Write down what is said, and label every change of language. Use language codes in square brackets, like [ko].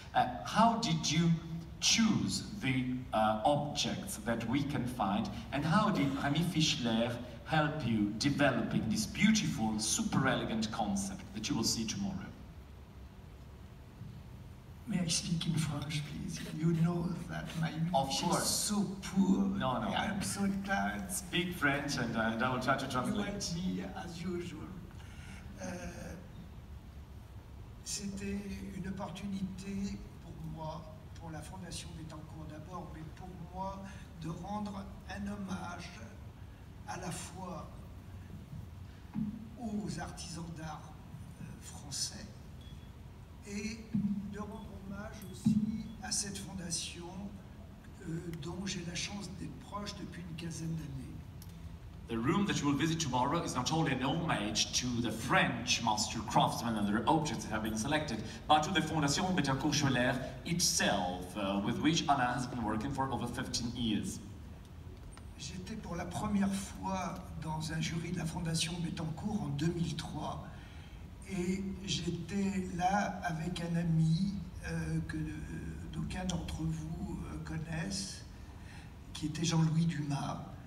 [en] How did you choose the objects that we can find, and how did Rémy Fischler help you developing this beautiful, super elegant concept that you will see tomorrow? May I speak in French, please? You know that my English is so poor. No, no. I am so glad. Speak French and I will try to translate. You and me, as usual. [fr] C'était une opportunité pour moi, pour la Fondation Bettencourt d'abord, mais pour moi de rendre un hommage à la fois aux artisans d'art français et de rendre hommage aussi à cette fondation dont j'ai la chance d'être proche depuis une quinzaine d'années. [en] The room that you will visit tomorrow is not only an homage to the French master craftsmen and their objects that have been selected, but to the Fondation Bettencourt-Scholler itself, with which Anna has been working for over 15 years. [fr] J'étais pour la première fois dans un jury de la Fondation Bettencourt en 2003 et j'étais là avec un ami que d'aucuns d'entre vous connaissent, qui était Jean-Louis Dumas.